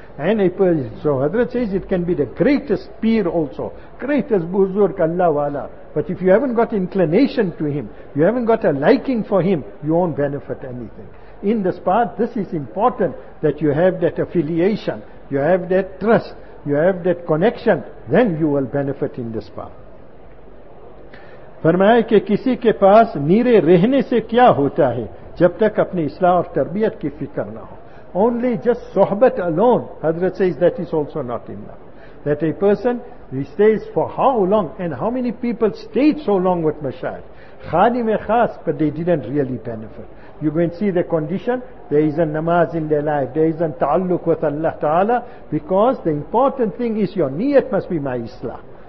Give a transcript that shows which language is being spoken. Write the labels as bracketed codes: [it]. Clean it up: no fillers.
[en] And a person, so Hazrat says it can be the greatest peer also, greatest buzurg, Allah wala. But if you haven't got inclination to him, you haven't got a liking for him, you won't benefit anything. In this part, this is important, that you have that affiliation, you have that trust, you have that connection, then you will benefit in this path. [ur] فرمایا کہ کسی کے پاس نیرے رہنے سے کیا ہوتا ہے جب تک اپنی اصلاح اور تربیت کی فکر نہ ہو. [en] Only just صحبت alone, Hazrat says that is also not enough. That a person, he stays for how long, and how many people stayed so long with Mashayikh? خادم خاص, but they didn't really benefit. You go and see the condition, there is a namaz in their life, there is a ta'alluq with Allah Ta'ala, because the important thing is your niyat must be my islah.